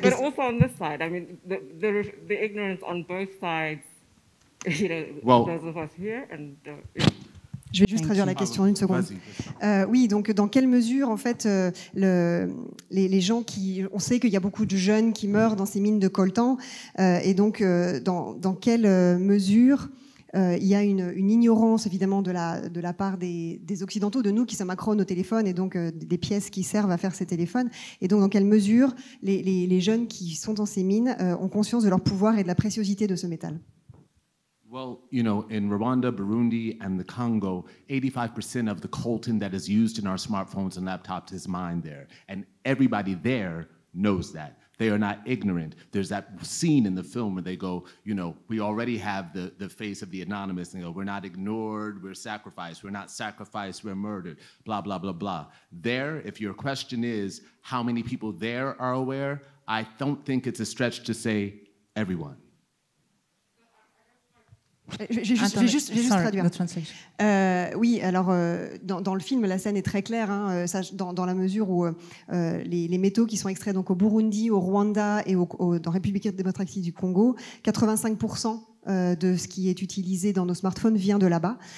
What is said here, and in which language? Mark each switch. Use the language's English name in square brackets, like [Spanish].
[English] But also on this side, I mean, the ignorance on both sides, you know, well, those of us here and... [French] Je vais juste traduire la question en une seconde. Oui, donc dans quelle mesure, en fait, les gens qui... On sait qu'il y a beaucoup de jeunes qui meurent dans ces mines de coltan, et donc dans quelle mesure il y a une ignorance, évidemment, de la part des Occidentaux, de nous qui sommes accros au téléphone, et donc des pièces qui servent à faire ces téléphones. Et donc dans quelle mesure les jeunes qui sont dans ces mines ont conscience de leur pouvoir et de la préciosité de ce métal? [English] Well, you know, in Rwanda, Burundi, and the Congo, 85% of the coltan that is used in our smartphones and laptops is mined there. And everybody there knows that. They are not ignorant. There's that scene in the film where they go, you know, we already have the face of the anonymous, and they go, we're not ignored, we're sacrificed, we're not sacrificed, we're murdered, blah, blah, blah, blah. There, if your question is how many people there are aware, I don't think it's a stretch to say everyone. [French] Je vais juste traduire. Oui, alors dans le film, la scène est très claire, hein, dans la mesure où les métaux qui sont extraits donc au Burundi, au Rwanda et dans la République démocratique du Congo, 85% de ce qui est utilisé dans nos smartphones vient de là-bas.